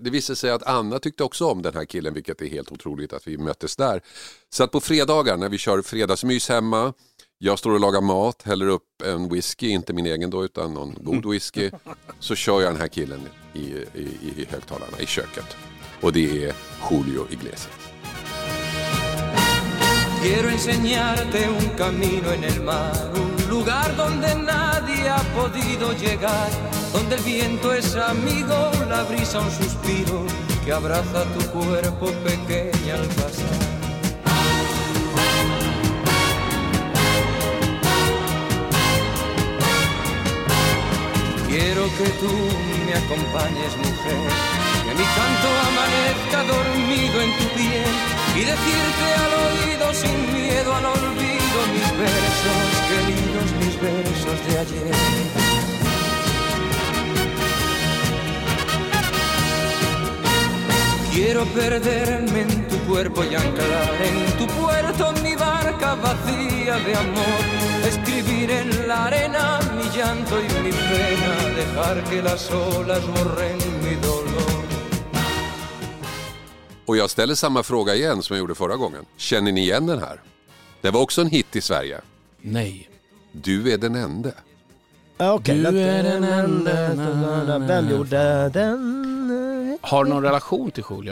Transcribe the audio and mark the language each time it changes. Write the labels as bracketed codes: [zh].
[sv] Det visste sig att Anna tyckte också om den här killen, vilket är helt otroligt att vi möttes där. Så att på fredagar när vi kör fredagsmys hemma, jag står och lagar mat, häller upp en whisky, inte min egen då, utan någon god whisky. Så kör jag den här killen i högtalarna i köket. Och det är Julio Iglesias. [es] Quiero enseñarte un camino en el mar, un lugar donde nadie ha podido llegar, donde el viento es amigo, la brisa un suspiro que abraza tu cuerpo pequeño al pasar. Quiero que tú me acompañes, mujer, que mi canto amanezca dormido en tu piel, y decirte al oído sin miedo al olvido mis versos, qué lindos mis versos de ayer. Quiero perderme en tu cuerpo y anclar en tu puerto mi barca vacía de amor. Escribir en la arena mi llanto y mi pena, dejar que las olas borren mi dolor. [sv] Och jag ställer samma fråga igen som jag gjorde förra gången. Känner ni igen den här? Det var också en hit i Sverige. Nej. Du är den enda. Okay. Du är den enda. Vem gjorde den? Har du någon relation till Julio?